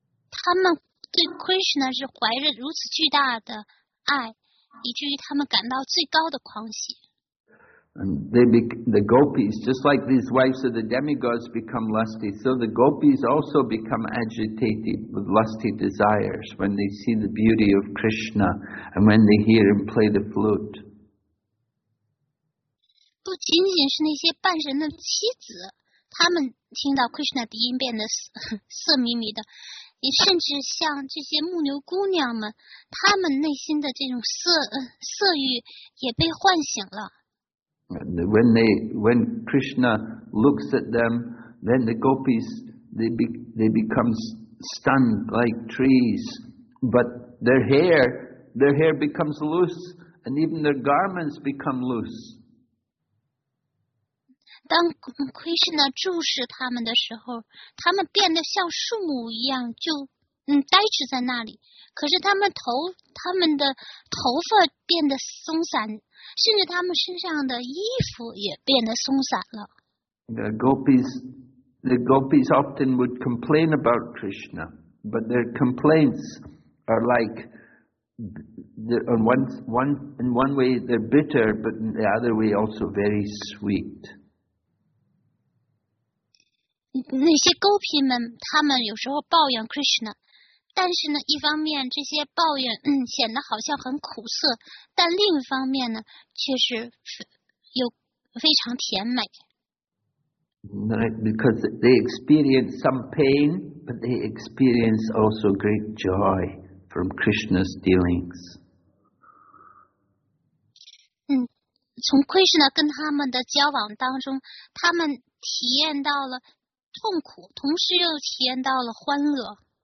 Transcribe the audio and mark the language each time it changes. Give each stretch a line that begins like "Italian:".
Chinese: 他们对 Krishna 是怀着如此巨大的爱，以至于他们感到最高的狂喜。
English: And the gopis, just like these wives of the demigods become lusty, so the gopis also become agitated with lusty desires when they see the beauty of Krishna and when they hear him play the flute.
Chinese: 不仅仅是那些半神的妻子，他们听到 Krishna 的音变得色迷迷的，也甚至像这些牧牛姑娘们，他们内心的这种色欲也被唤醒了。
English: When Krishna looks at them, then the gopis they become stunned like trees. But their hair becomes loose, and even their garments become loose.
Chinese: 当 Krishna 注视他们的时候，他们变得像树木一样，就呆滞在那里。可是他们的头发变得松散。甚至他们身上的衣服也变得松散了。
English: The gopis often would complain about Krishna, but their complaints are like, in one way they're bitter, but in the other way also very sweet.
Chinese: 那些 gopi 们，他们有时候抱怨 Krishna。但是呢，一方面这些抱怨显得好像很苦涩，但另一方面呢，却是有非常甜美。
English: Right, because they experience some pain, but they experience also great joy from Krishna's dealings.
Chinese: 从 Krishna 跟他们的交往当中，他们体验到了痛苦，同时又体验到了欢乐。